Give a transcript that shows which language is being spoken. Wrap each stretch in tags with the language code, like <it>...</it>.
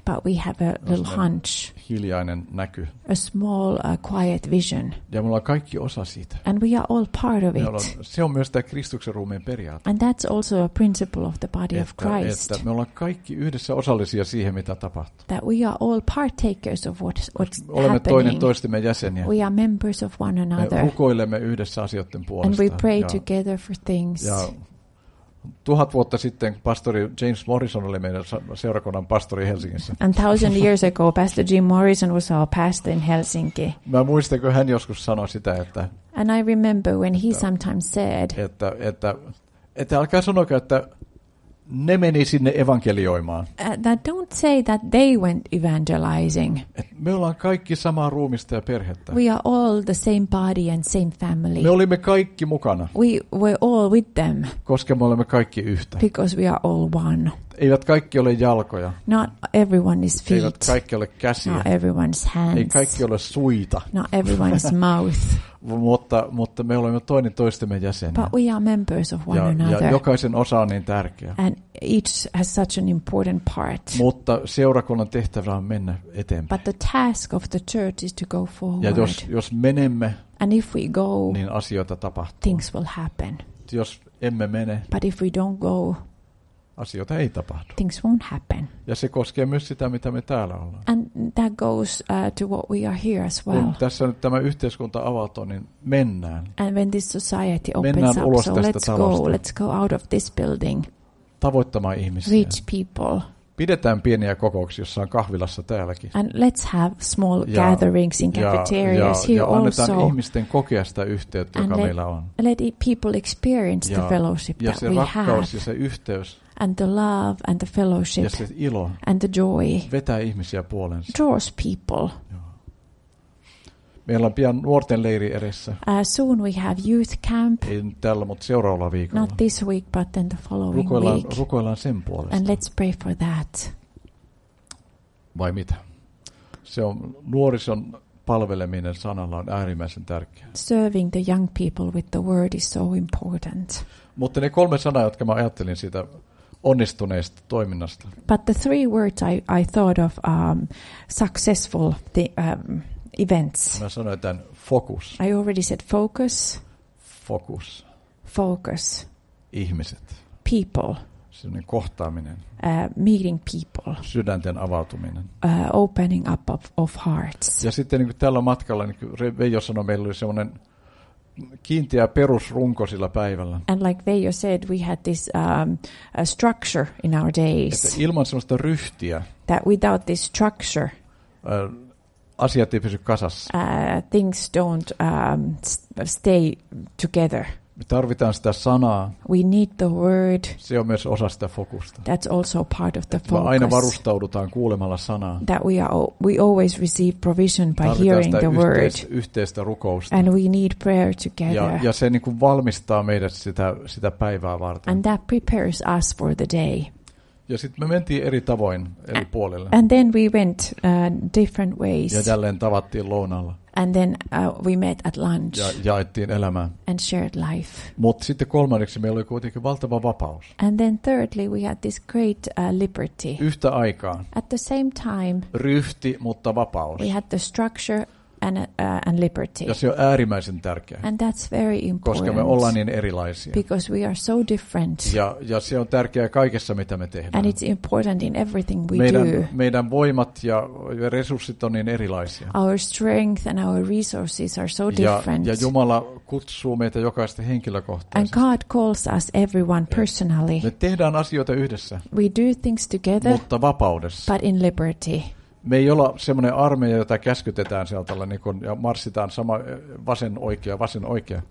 <en>But we have a little hunch.</en> <fi>Hiljainen näky.</fi> <en>A small quiet vision.</en> <fi>Ja me ollaan kaikki osa siitä.</fi> <en>And we are all part of it.</en> <fi>Se on myös tämä Kristuksen ruumiin periaate.</fi> <en>And that's also a principle of the body of Christ.</en> <fi>Että me ollaan kaikki yhdessä osallisia siihen, mitä tapahtuu.</fi> <en>That we are all partakers of what's happening.</en> <fi>Olemme toinen toistemme jäseniä.</fi> <en>We are members of one another.</en> <fi>Me rukoilemme yhdessä asioiden puolesta.</fi> <en>And we pray together for things.</en> <fi>Ja 1000 vuotta sitten pastori James Morrison oli meidän seurakunnan pastori Helsingissä.</fi> <en>And 1000 years ago, Pastor Jim Morrison was our pastor in Helsinki.</en> <fi>Mä muistan, kun hän joskus sanoi sitä, että.</fi> <en>And I remember when he sometimes said.</en> <fi>Että alkaa sanoa, että ne meni sinne evankelioimaan.</fi> <en>That don't say that they went evangelizing.</en> <fi>Me ollaan kaikki samaa ruumista ja perhettä.</fi> <en>We are all the same body and same family.</en> <fi>Me olimme kaikki mukana.</fi> <en>We were all with them.</en> <fi>Koska me olemme kaikki yhtä.</fi> <en>Because we are all one.</en> <fi>Eivät kaikki ole jalkoja.</fi> <en>Not everyone is feet.</en> <fi>Eivät kaikki ole käsiä.</fi> <en>Not everyone's hands.</en> <fi>Ei kaikki ole suita.</fi> <en>Not everyone's mouth.</en> <fi>Mutta me olemme toinen toistemme jäseniä.</fi> <en>But we are members of one another.</en> <fi>Ja jokaisen osa on niin tärkeä.</fi> <en>And each has such an important part.</en> <fi>Mutta seurakunnan tehtävä on mennä eteenpäin.</fi> <en>But the task of the church is to go forward.</en> <fi>Ja jos menemme,</fi> <en>and if we go,</en> <fi>niin asioita tapahtuu.</fi> <en>Things will happen.</en> <fi>Jos emme mene,</fi> <en>but if we don't go,</en> <fi>asioita ei tapahdu.</fi> <en>Things won't happen.</en> <fi>Ja se koskee myös sitä, mitä me täällä ollaan.</fi> <en>And that goes to what we are here as well.</en> <fi>Kun tässä nyt tämä yhteiskunta avautuu, niin mennään.</fi> <en>And when this society opens</en> <fi>mennään</fi> <en>up,</en> <fi>ulos</fi> <en>so</en> <fi>tästä</fi> <en>let's</en> <fi>talosta.</fi> <en>Go, let's go out of this building.</en> <fi>Tavoittamaan ihmisiä.</fi> <en>Reach people.</en> <fi>Pidetään pieniä kokouksia jossain kahvilassa täälläkin.</fi> <en>And let's have small gatherings in cafeterias here also.</en> <fi>Ja annetaan ihmisten kokea sitä yhteyttä, joka meillä on.</fi> <en>And let people experience the fellowship that we have.</en> <fi>Ja se rakkaus ja se yhteys.</fi> <en>And the love and the fellowship.</en> <fi>Ja se ilo.</fi> <en>And the joy.</en> <fi>Vetää ihmisiä puolensa.</fi> <en>Draws people.</en> <fi>Meillä on pian nuorten leiri edessä.</fi> <en>Soon we have youth camp.</en> <fi>Ei tällä, mutta seuraavalla viikolla.</fi> <en>Not this week, but then the following week.</en> <fi>Rukoillaan sen puolesta.</fi> <en>And let's pray for that.</en> <fi>Vai mitä? Se on nuorison palveleminen sanalla on äärimmäisen tärkeää.</fi> <en>Serving the young people with the word is so important.</en> <fi>Mutta ne 3 sanaa, jotka mä ajattelin siitä onnistuneesta toiminnasta.</fi> <en>But the 3 words I thought of successful the events.</en> <fi>Mä sanoin tämän focus.</fi> <en>I already said focus. Focus. Focus.</en> <fi>Ihmiset.</fi> <en>People.</en> <fi>Sellainen kohtaaminen.</fi> <en>Meeting people.</en> <fi>Sydänten avautuminen.</fi> <en>Opening up of hearts.</en> <fi>Ja sitten niin kuin tällä matkalla, niin kuin Veijo sanoi, meillä oli sellainen kiinteä perusrunko sillä päivällä.</fi> <en>And like Veijo said, we had this structure in our days.</en> <fi>Että ilman sellaista ryhtiä.</fi> <en>That without this structure.</en> <fi>Asiat ei pysy kasassa.</fi> <en>Things don't stay together.</en> <fi>Me tarvitaan sitä sanaa.</fi> <en>We need the word.</en> <fi>Se on myös osa sitä fokusta.</fi> <en>That's also part of the focus.</en> <fi>Me aina varustaudutaan kuulemalla sanaa.</fi> <en>That we always receive provision by hearing the word.</en> <fi>Yhteistä rukousta.</fi> <en>And we need prayer together.</en> <fi>Ja se niin kuin valmistaa meidät sitä päivää varten.</fi> <en>And that prepares us for the day.</en> <fi>Ja sitten me mentiin eri tavoin eri puolille.</fi> <en>And then we went different ways.</en> <fi>Ja jälleen tavattiin lounalla.</fi> <en>And then we met at lunch.</en> <fi>Ja jaettiin elämää.</fi> <en>And shared life.</en> <fi>Mutta sitten kolmanneksi meillä oli kuitenkin valtava vapaus.</fi> <en>And then thirdly we had this great liberty.</en> <fi>Yhtä aikaan.</fi> <en>At the same time.</en> <fi>Ryhti, mutta vapaus.</fi> <en>We had the structure and liberty.</en> <fi>Ja se on äärimmäisen tärkeä.</fi> <en>And that's very important.</en> <fi>Koska me ollaan niin erilaisia.</fi> <en>Because we are so different.</en> <fi>Ja se on tärkeää kaikessa, mitä me tehdään.</fi> <en>And it's important in everything we do.</en> <fi>Meidän voimat ja resurssit on niin erilaisia.</fi> <en>Our strength and our resources are so different.</en> <fi>Ja Jumala kutsuu meitä jokaista henkilökohtaisesti.</fi> <en>And God calls us everyone personally.</en> <fi>Me tehdään asioita yhdessä.</fi> <en>We do things together.</en> <fi>Mutta vapaudessa.</fi> <en>But in liberty.</en> <fi>Me ei olla semmoinen armeija, jota käskytetään sieltä niin kun, ja marssitaan sama vasen oikea.</fi>